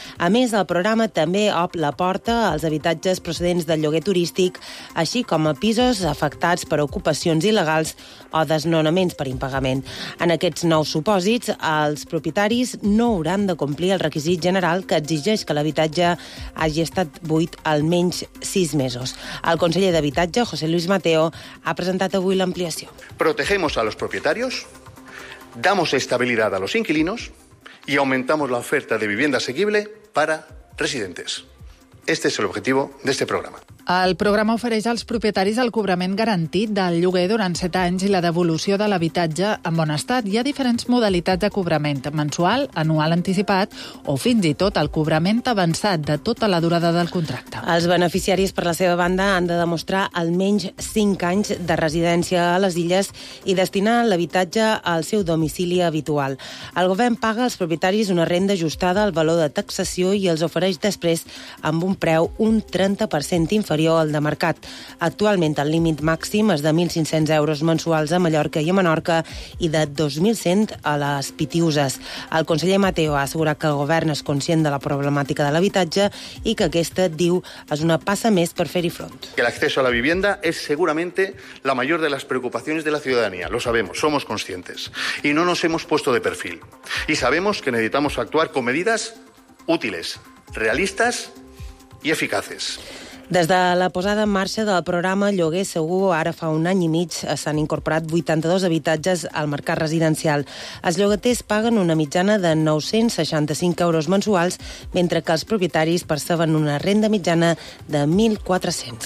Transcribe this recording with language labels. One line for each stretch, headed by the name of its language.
Catalan: A més, el programa també obre la porta als habitatges procedents del lloguer turístic, així com a pisos afectats per ocupacions il·legals o desnonaments per impagament. En aquests nous supòsits, els propietaris no hauran de complir el requisit general que exigeix que l'habitatge hagi estat buit almenys 6 mesos. El conseller d'Habitatge, José Luis Mateo, ha presentat avui l'ampliació.
Spanish: Protegemos a los propietarios, damos estabilidad a los inquilinos y aumentamos la oferta de vivienda asequible para residentes. Este es el objetivo de este programa.
Catalan: El programa ofereix als propietaris el cobrament garantit del lloguer durant 7 anys i la devolució de l'habitatge en bon estat. Hi ha diferents modalitats de cobrament: mensual, anual anticipat o fins i tot el cobrament avançat de tota la durada del contracte. Els beneficiaris, per la seva banda, han de demostrar almenys 5 anys de residència a les illes i destinar l'habitatge al seu domicili habitual. El govern paga als propietaris una renda ajustada al valor de taxació i els ofereix després amb un preu un 30% inferior al de mercat. Actualment el límit màxim és de 1.500 euros mensuals a Mallorca i a Menorca i de 2.100 a les Pitiüses. El conseller Mateo ha assegurat que el govern és conscient de la problemàtica de l'habitatge i que aquesta, diu, és una passa més per fer-hi front.
Spanish: El acceso a la vivienda es seguramente la mayor de las preocupaciones de la ciudadanía. Lo sabemos, somos conscientes. Y no nos hemos puesto de perfil. Y sabemos que necesitamos actuar con medidas útiles, realistas y eficaces.
Catalan: Des de la posada en marxa del programa Lloguer Segur, ara fa un any i mig, s'han incorporat 82 habitatges al mercat residencial. Els llogaters paguen una mitjana de 965 euros mensuals, mentre que els propietaris perceben una renda mitjana de 1.400.